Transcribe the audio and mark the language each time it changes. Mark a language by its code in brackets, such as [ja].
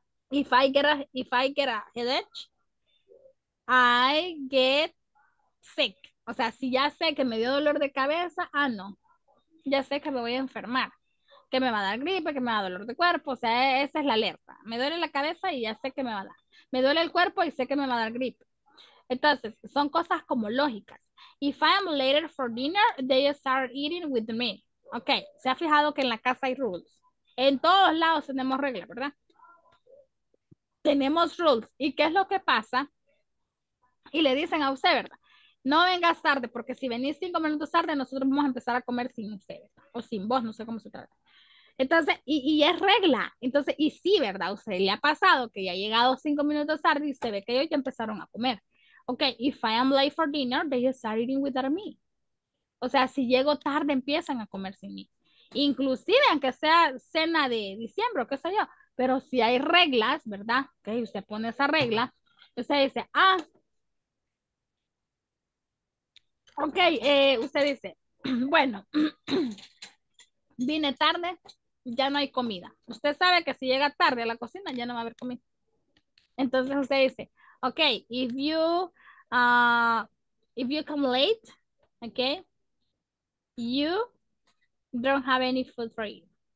[en] If I get a headache, I get sick. [es] O sea, si ya sé que me dio dolor de cabeza, ah, no, ya sé que me voy a enfermar, que me va a dar gripe, que me va a dar dolor de cuerpo, o sea, esa es la alerta. Me duele la cabeza y ya sé que me va a dar. Me duele el cuerpo y sé que me va a dar gripe. Entonces, son cosas como lógicas. [en] If I am later for dinner, they start eating with me. [es] Ok, se ha fijado que en la casa hay rules. En todos lados tenemos reglas, ¿verdad? Tenemos rules. ¿Y qué es lo que pasa? Y le dicen a usted, ¿verdad? No vengas tarde, porque si venís 5 minutos tarde, nosotros vamos a empezar a comer sin usted, ¿verdad? O sin vos, no sé cómo se trata. Entonces, y es regla. Entonces, y sí, ¿verdad? Usted le ha pasado que ya ha llegado 5 minutos tarde y se ve que ellos ya empezaron a comer. [en] Ok, if I am late for dinner, they start eating without me. [es] O sea, si llego tarde, empiezan a comer sin mí. Inclusive, aunque sea cena de diciembre o qué sé yo, pero si hay reglas, ¿verdad? Que okay, usted pone esa regla, usted dice, ah, ok, usted dice, bueno, vine tarde, ya no hay comida. Usted sabe que si llega tarde a la cocina, ya no va a haber comida. Entonces usted dice, [en] ok, if you come late, okay, you don't have any food for you.